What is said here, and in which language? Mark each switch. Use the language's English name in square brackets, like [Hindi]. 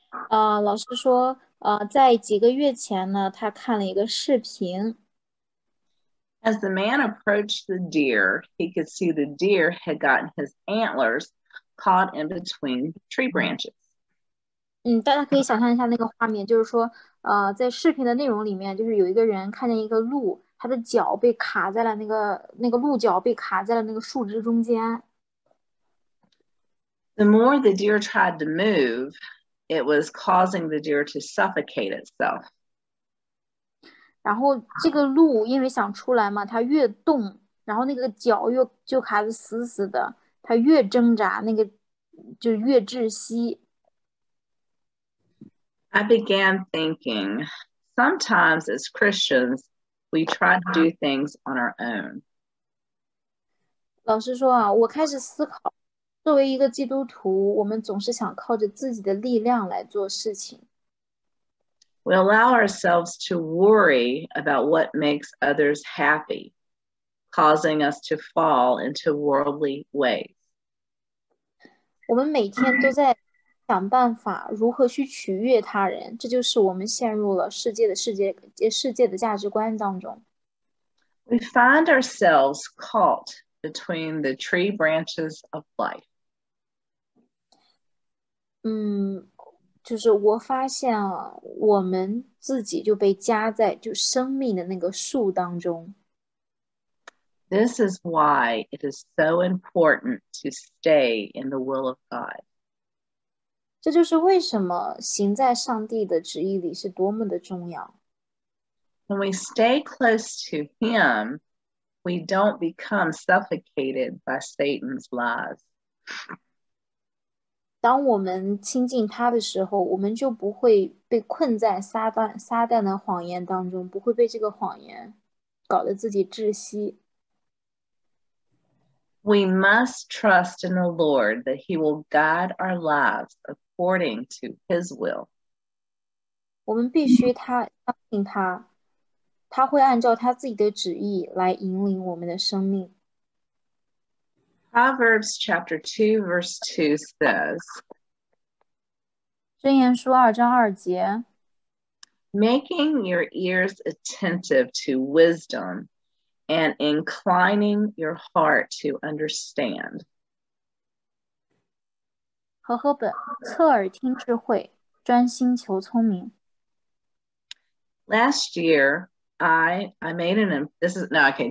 [Chinese] 老师说，在几个月前呢，他看了一个视频。 [English] As the man approached the deer, he could see the deer had gotten his antlers caught in between tree branches. [Chinese] 大家可以想象一下那个画面，就是说，在视频的内容里面，就是有一个人看见一个鹿，他的脚被卡在了那个鹿角被卡在了那个树枝中间。 [English] The more the deer tried to move, it was causing the deer to suffocate itself. [Chinese] 然后这个鹿因为想出来嘛，它越动，然后那个脚又就卡得死死的，它越挣扎，那个就越窒息。 [English] I began thinking, sometimes as Christians, we try to do things on our own. [Chinese] 老师说啊，我开始思考，作为一个基督徒，我们总是想靠着自己的力量来做事情。 [English] We allow ourselves to worry about what makes others happy, causing us to fall into worldly ways. [Chinese] 我们每天都在想办法如何去取悦他人，这就是我们陷入了世界的价值观当中。 [English] We find ourselves caught between the tree branches of life. [Chinese] 就是我发现啊，我们自己就被夹在就生命的那个树当中。 [English] This is why it is so important to stay in the will of God. [Chinese] 这就是为什么行在上帝的旨意里是多么的重要。 [English] When we stay close to Him, we don't become suffocated by Satan's lies. [Chinese] 当我们亲近他的时候，我们就不会被困在撒旦的谎言当中，不会被这个谎言搞得自己窒息。 [English] We must trust in the Lord that He will guide our lives according to His will. [Chinese] 我们必须相信他，他会按照他自己的旨意来引领我们的生命。 [English] Proverbs chapter 2, verse 2 says, [Chinese] 箴言书2:2， [English] Making your ears attentive to wisdom. And inclining your heart to understand. [Chinese] 和合本，侧耳听智慧，专心求聪明。 [English] Last year, I made an this is no okay.